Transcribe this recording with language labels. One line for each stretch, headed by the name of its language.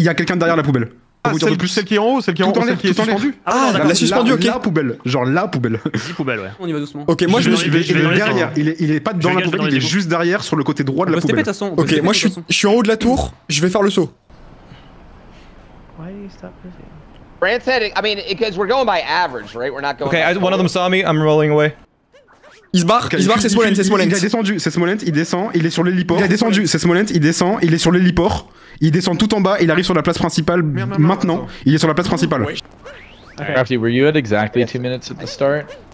French: Y'a quelqu'un derrière la poubelle. Ah, c'est plus celle qui est en haut, celle qui est en haut, celle qui est suspendue. Ah, la suspendue, ok. La poubelle. 10 poubelles, ouais. On y va doucement. Ok, moi je me suis derrière. Il est pas dans la poubelle, il est juste derrière sur le côté droit de la poubelle. Ok, moi je suis en haut de la tour, je vais faire le saut.
English: Why do you stop pushing? Brant said, I mean, because we're going by average, right? We're not going. Okay, one of them saw me, I'm rolling away.
French: Il se barre, c'est Smolent. Il descend, il est sur l'héliport. Il est sur l'héliport. Il descend tout en bas, il arrive sur la place principale maintenant. Il est sur la place principale.
English: Okay. Crafty, were you at exactly 2 minutes at the start?